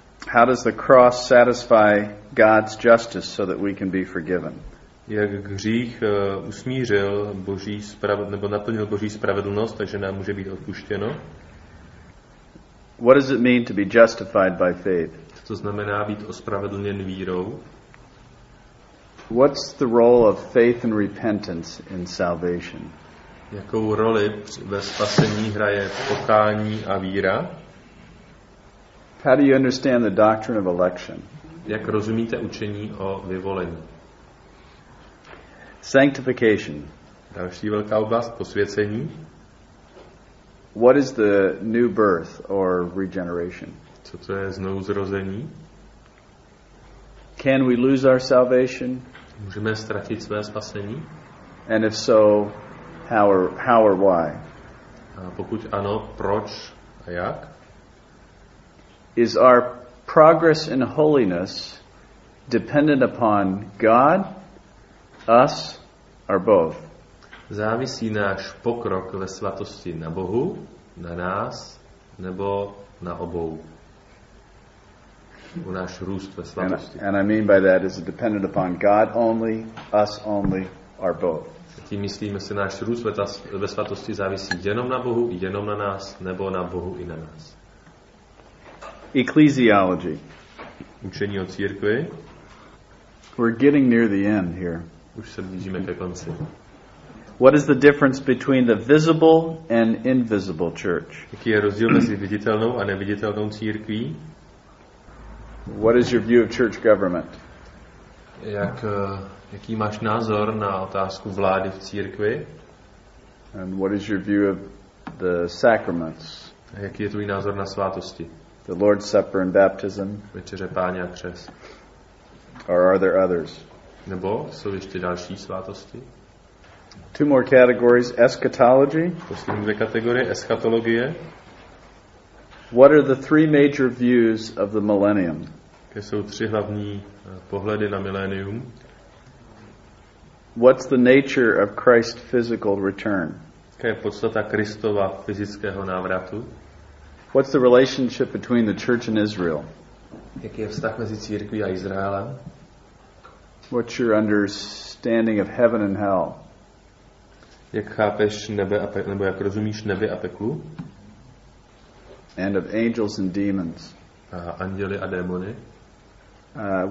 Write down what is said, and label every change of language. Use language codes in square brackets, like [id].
[en] How does the cross satisfy God's justice so that we can be forgiven? [cs] Jak hřích usmířil Boží nebo naplnil Boží spravedlnost, takže nám může být odpuštěno? [en] What does it mean to be justified by faith? [cs] Co to znamená být ospravedlněn vírou? [en] What's the role of faith and repentance in salvation? [cs] Jakou roli ve spasení hraje pokání a víra? [en] How do you understand the doctrine of election? [cs] Jak rozumíte učení o vyvolení? [en] Sanctification. [cs] Další velká oblast, posvěcení. [en] What is the new birth or regeneration? [cs] Co to je znovuzrození? [en] Can we lose our salvation? [cs] Můžeme ztratit své spasení? [en] And if so, how or why? [cs] A pokud ano, proč a jak? [en] Is our progress in holiness dependent upon God, us, or both? [cs] Závisí náš pokrok ve svatosti na Bohu, na nás, nebo na obou? U náš růst ve svatosti. [en] And I mean by that, is it dependent upon God only, us only, or both? [cs] Tím myslíme, jestli náš růst ve svatosti závisí jenom na Bohu, jenom na nás, nebo na Bohu i na nás. [en] Ecclesiology. [cs] Učení o církvi. [en] We're getting near the end here. [cs] Už se blížíme ke konci. [en] What is the difference between the visible and invisible church? [cs] Jaký je rozdíl mezi viditelnou a neviditelnou církví? [en] What is your view of church government? [cs] Jaký máš názor na otázku vlády v církvi? [en] And what is your view of the sacraments? [cs] A jaký je tvůj názor na svátosti? [en] The Lord's Supper and baptism. [cs] Večeře Páně a křes. [en] Or are there others? [cs] Nebo jsou ještě další svátosti? [en] Two more categories, eschatology. [cs] Poslední dvě kategorie, eschatologie. [en] What are the three major views of the millennium? [cs] Jaké jsou tři hlavní pohledy na milénium? [en] What's the nature of Christ's physical return? [cs] Jaká je podstata Kristova fyzického návratu? [en] What's the relationship between the church and Israel? [cs] Jaký je vztah mezi církví a Izraelem? [en] What's your understanding of heaven and hell? [cs] Jak chápeš nebe a peklo, nebo jak rozumíš nebe a peklo? [en] And of angels and demons. [cs] A anděli a démony.